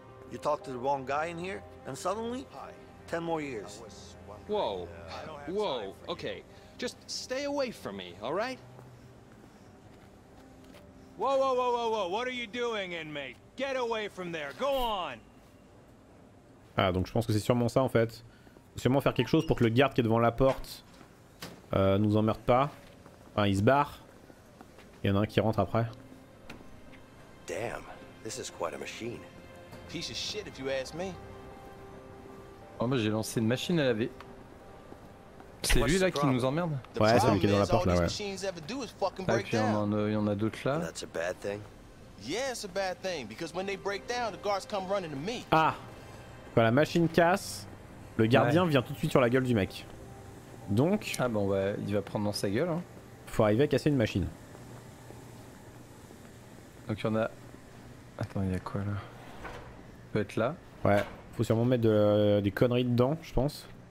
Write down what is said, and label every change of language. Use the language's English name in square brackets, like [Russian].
[English] You talk to the wrong guy in here, and suddenly, 10 more years. Whoa, whoa, okay. Just stay away from me, all right? Whoa, whoa, whoa, whoa, whoa, what are you doing, inmate? Get away from there, go on! [French] Ah, donc je pense que c'est sûrement ça, en fait. Sûrement faire quelque chose pour que le garde qui est devant la porte nous emmerde pas. Enfin, il se barre. Il y en a un qui rentre après. [English] Damn, this is quite a machine. Piece of shit if you ask me. [French] Oh bah j'ai lancé une machine à laver. C'est lui là qui nous emmerde. Ouais, c'est lui qui est dans la porte là, ouais. Ah, puis il y en a d'autres là. [English] That's a bad thing. Yeah, it's a bad thing because when they break down, the guards come running to me. [French] Ah. Quand la machine casse, le gardien ouais. Vient tout de suite sur la gueule du mec. Donc, ah bon, bah, il va prendre dans sa gueule hein. Faut arriver à casser une machine. Donc il y en a. Attends, il y a quoi là? Peut être là. Ouais, faut sûrement mettre des conneries dedans, je pense.